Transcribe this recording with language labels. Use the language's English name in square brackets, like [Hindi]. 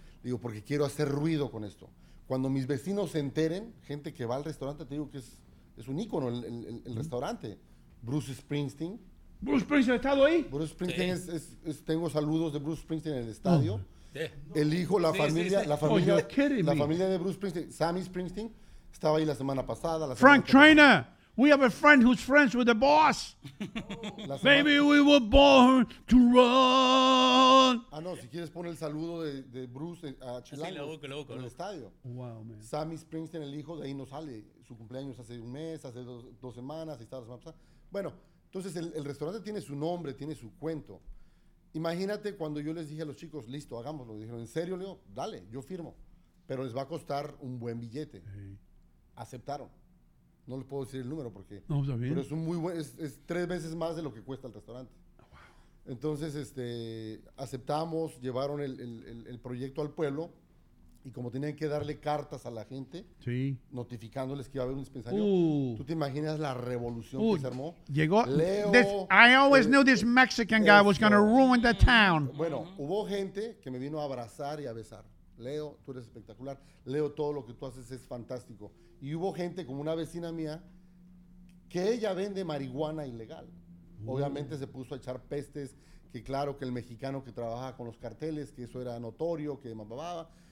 [Spanish] Digo, porque quiero hacer ruido con esto. Cuando mis vecinos se enteren, gente que va al restaurante, te digo que es un ícono el restaurante. Bruce Springsteen. ¿Bruce Springsteen ha estado ahí? Bruce Springsteen, sí. es tengo saludos de Bruce Springsteen en el estadio. Sí. El hijo, la familia, sí. La familia de Bruce Springsteen, Sammy Springsteen, estaba ahí la semana pasada. Frank Trainer. [English] We have a friend who's friends with the boss. Maybe we were born to run. [Spanish] Ah, no, si quieres poner el saludo de Bruce a Chilango. Sí, loco. En el estadio. [English] Wow, man. [Spanish] Sammy Springsteen, el hijo, de ahí no sale. Su cumpleaños hace un mes, hace dos semanas, y está la semana pasada. Bueno, entonces el restaurante tiene su nombre, tiene su cuento. Imagínate cuando yo les dije a los chicos, listo, hagámoslo. Dijeron, ¿en serio, Leo? Dale, yo firmo. Pero les va a costar un buen billete. Sí. Aceptaron. No les puedo decir el número porque no, está bien. Pero es un muy buen, es tres veces más de lo que cuesta el restaurante. Oh, wow. Entonces aceptamos, llevaron el proyecto al pueblo y como tenían que darle cartas a la gente, sí, notificándoles que iba a haber un dispensario. ¿Tú te imaginas la revolución que se armó? Llegó Leo. [English] I always knew this Mexican guy was going to ruin the town. [Spanish] Bueno, hubo gente que me vino a abrazar y a besar. Leo, tú eres espectacular. Leo, todo lo que tú haces es fantástico. Y hubo gente, como una vecina mía, que ella vende marihuana ilegal. Obviamente se puso a echar pestes, que claro, que el mexicano que trabaja con los carteles, que eso era notorio, que mamababa.